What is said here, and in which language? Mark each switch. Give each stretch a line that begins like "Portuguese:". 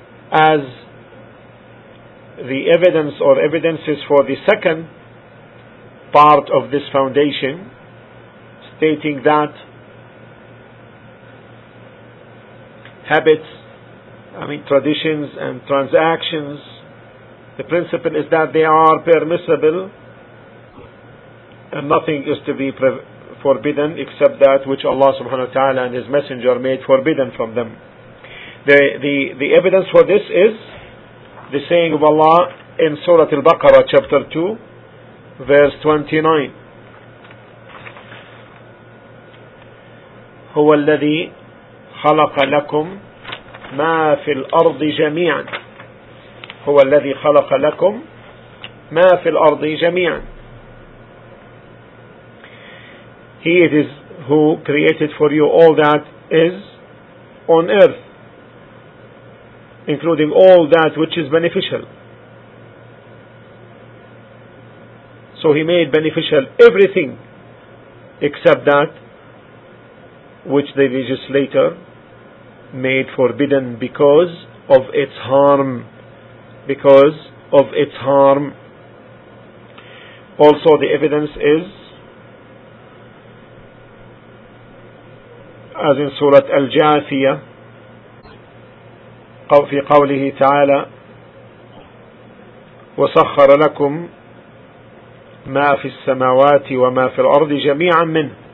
English: As the evidence or evidences for the second part of this foundation, stating that habits, traditions and transactions, the principle is that they are permissible and nothing is to be forbidden except that which Allah subhanahu wa ta'ala and His Messenger made forbidden from them. The evidence for this is the saying of Allah in Surah Al-Baqarah chapter 2 verse 29.
Arabic: هو الذي خلق لكم ما في الأرض جميعا. هو الذي خلق لكم ما في الأرض جميعا.
English: He it is who created for you all that is on earth, including all that which is beneficial. So He made beneficial everything except that which the legislator made forbidden because of its harm. Because of its harm. Also the evidence is as in Surah Al-Jathiyah,
Arabic: في قوله تعالى وَسَخَّرَ لَكُمْ مَا فِي السَّمَاوَاتِ وَمَا فِي الْأَرْضِ جَمِيعًا مِنْ.